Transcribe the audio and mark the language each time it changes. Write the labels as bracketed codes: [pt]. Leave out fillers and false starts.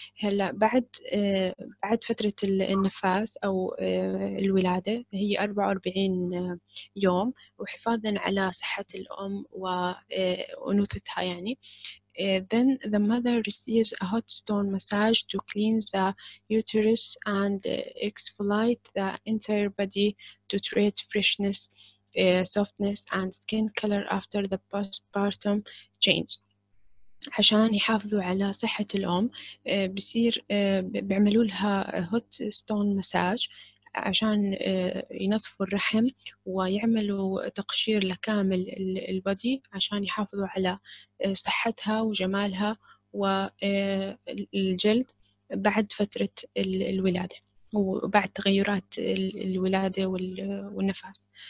[ar] هلا بعد فترة النفاس أو الولادة هي 44 يوم, وحفاظا على صحة الأم وأنوثتها يعني. [en] Then the mother receives a hot stone massage to cleanse the uterus and exfoliate the entire body to treat freshness, softness and skin color after the postpartum change. [ar] عشان يحافظوا على صحة الأم بيصير بيعملوا لها [en] hot stone massage [ar] عشان ينظفوا الرحم ويعملوا تقشير لكامل البدي عشان يحافظوا على صحتها وجمالها والجلد بعد فترة الولادة وبعد تغيرات الولادة والنفاس.